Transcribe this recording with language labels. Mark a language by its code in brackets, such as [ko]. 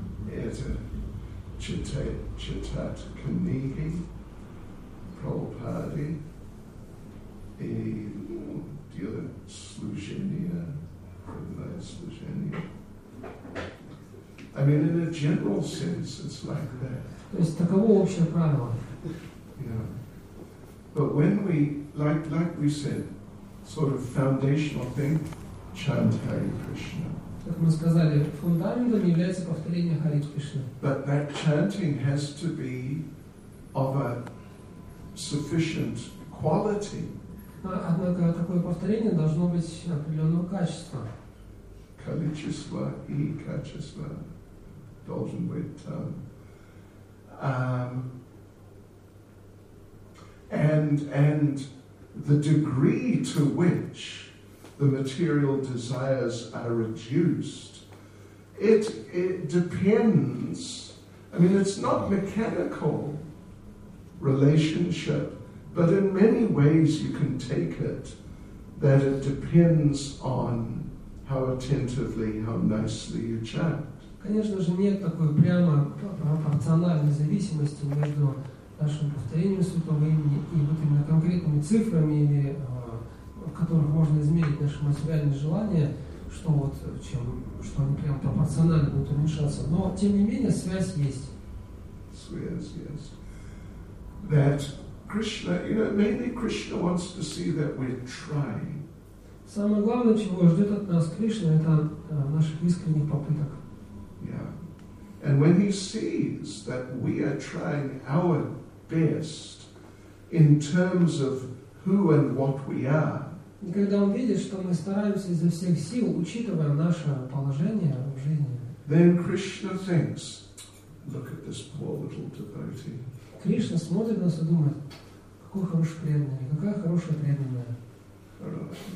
[ru] Это читать книги, Прабхупады, и делать служение, предлагать служение. [en] I mean, in a general sense, it's like that. [ru] То есть таково общее правило. [en] Yeah. But when we, like we said, sort of foundational thing, chant Hare Krishna. [ru] Как мы сказали, фундаментом является повторение Хари Кришны. [en] But that chanting has to be of a sufficient quality. [ru] Однако такое повторение должно быть определенного качества. Количество и качество должен быть там. [en] And the degree to which the material desires are reduced, it depends. I mean, it's not mechanical relationship, but in many ways you can take it that it depends on how attentively, how nicely you chant. [ru] Конечно же, нет такой прямо пропорциональной зависимости между нашим повторением святого имени и вот именно конкретными цифрами, или, в которых можно измерить наши материальные желания, что вот чем, что они прямо пропорционально будут уменьшаться. Но тем не менее связь есть. Связь есть. [en] That Krishna, you know, mainly Krishna wants to see that we're trying. [ru] Самое главное, чего ждет от нас Кришна, это наших искренних попыток. [en] Yeah. And when he sees that we are trying our best in terms of who and what we are. [ru] Когда он видит, что мы стараемся изо всех сил, учитывая наше положение в жизни. [en] Then Krishna thinks, look at this poor little devotee. [ru] Кришна смотрит на нас и думает, какой хороший преданный, какая хорошая преданная.